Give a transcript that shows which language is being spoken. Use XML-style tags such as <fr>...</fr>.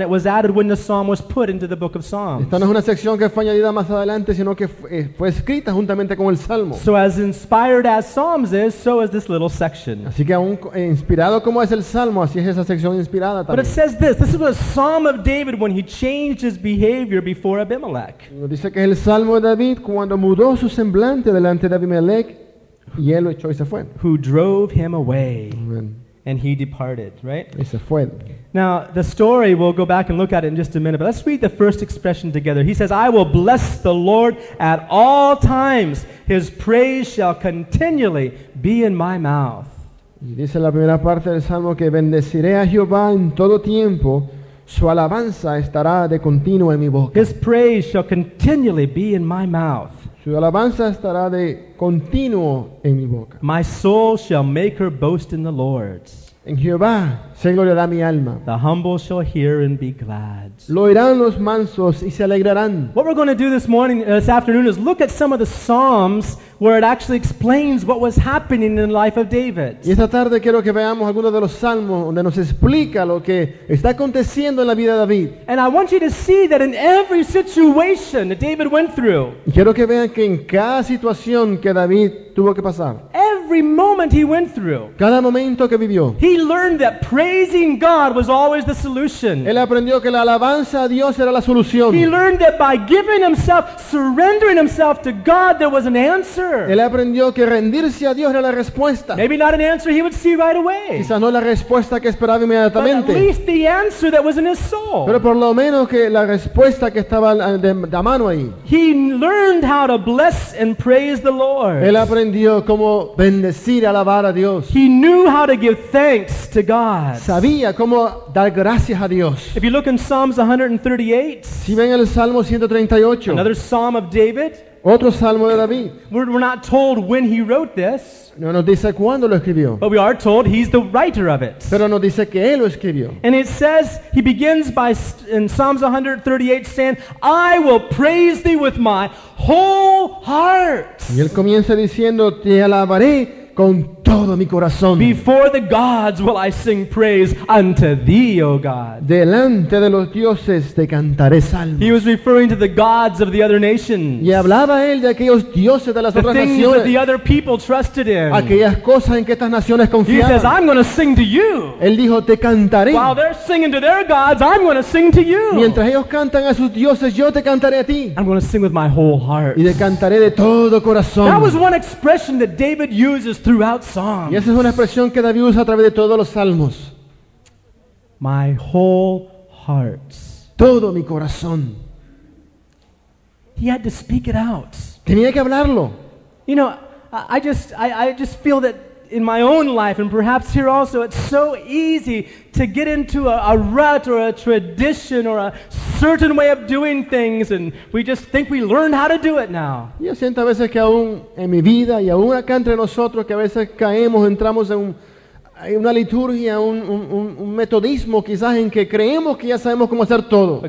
<en>It was added when the psalm was put into the book of Psalms.</en> <es>Esta no es una sección que fue añadida más adelante, sino que fue escrita juntamente con el salmo.</es> <en>So as inspired as Psalms is, so is this little section.</en> <es>Así que aún inspirado como es el salmo, así es esa sección inspirada también.</es> <en>But it says this. This is a psalm of David when he changed his behavior before Abimelech.</en> <es>Dice que es el salmo de David cuando mudó su semblante delante de Abimelech y él lo echó y se fue.</es> <en>Who drove him away. Amen. And he departed, right?</en> <es>Y se fue.</es> <en>Now, the story, we'll go back and look at it in just a minute, but let's read the first expression together. He says, I will bless the Lord at all times. His praise shall continually be in my mouth.</en> <es>Y dice la primera parte del salmo que bendeciré a Jehová en todo tiempo. Su alabanza estará de continuo en mi boca.</es> <en>His praise shall continually be in my mouth.</en> <es>Su alabanza estará de continuo en mi boca.</es> <en>My soul shall make her boast in the Lord.</en> <es>En Jehová se gloriará mi alma.</es> <en>The humble shall hear and be glad.</en> <es>Lo oirán los mansos y se alegrarán.</es> <en>What we're going to do this afternoon is look at some of the psalms where it actually explains what was happening in the life of David.</en> <es>Y esta tarde quiero que veamos algunos de los salmos donde nos explica lo que está aconteciendo en la vida de David.</es> <en>And I want you to see that in every situation that David went through.</en> <es>Y quiero que vean que en cada situación que David tuvo que pasar.</es> <en>Every moment he went through.</en> <es>Cada momento que vivió.</es> <en>He learned that praising God was always the solution.</en> <es>Él aprendió que la alabanza a Dios era la solución.</es> <en>He learned that by giving himself, surrendering himself to God, there was an answer.</en> <es>Él aprendió que rendirse a Dios era la respuesta.</es> <en>Maybe not an answer he would see right away.</en> <es>Quizás no la respuesta que esperaba inmediatamente.</es> <en>But at least the answer that was in his soul.</en> <es>Pero por lo menos que la respuesta que estaba de mano ahí.</es> <en>He learned how to bless and praise the Lord.</en> <es>Él aprendió cómo bendecir, alabar a Dios.</es> <en>He knew how to give thanks to God.</en> <es>Sabía cómo dar gracias a Dios.</es> <en>If you look in Psalms 138.</en> <es>Si ven el Salmo 138.</es> <en>Another Psalm of David.</en> <es>Otro salmo de David.</es> <en>We're not told when he wrote this.</en> <es>No nos dice cuándo lo escribió.</es> <en>But we are told he's the writer of it.</en> <es>Pero nos dice que él lo escribió.</es> <en>And it says, he begins by, in Psalms 138, saying, I will praise thee with my whole heart.</en> <es>Y él comienza diciendo, te alabaré con todo mi corazón.</es> <en>Before the gods will I sing praise unto thee, O God.</en> <es>Delante de los dioses te cantaré salmos.</es> <en>He was referring to the gods of the other nations.</en> <es>Y hablaba él de aquellos dioses de las</es> <en>the</en> <es>otras</es> <en>things</en> <es>naciones.</es> <en>That the other people trusted in.</en> <es>Aquellas cosas en que estas naciones confiaban.</es> <en>He says, I'm going to sing to you.</en> <es>Él dijo, te cantaré.</es> <en>While they're singing to their gods, I'm going to sing to you.</en> <es>Mientras ellos cantan a sus dioses, yo te cantaré a ti.</es> <en>I'm going to sing with my whole heart.</en> <es>Y te cantaré de todo corazón.</es> <en>That was one expression that David uses throughout Psalms.</en> <es>Y esa es una expresión que David usa a través de todos los salmos.</es> <en>My whole heart.</en> <es>Todo mi corazón.</es> <en>He had to speak it out.</en> <es>Tenía que hablarlo.</es> <en>You know, I just feel that in my own life, and perhaps here also, it's so easy to get into a rut or a tradition or a certain way of doing things, and we just think we learned how to do it now.</en> <es>Yo siento a veces que aún en mi vida y aún acá entre nosotros que a veces caemos, entramos en una liturgia, un metodismo quizás en que creemos que ya sabemos cómo hacer todo.</es>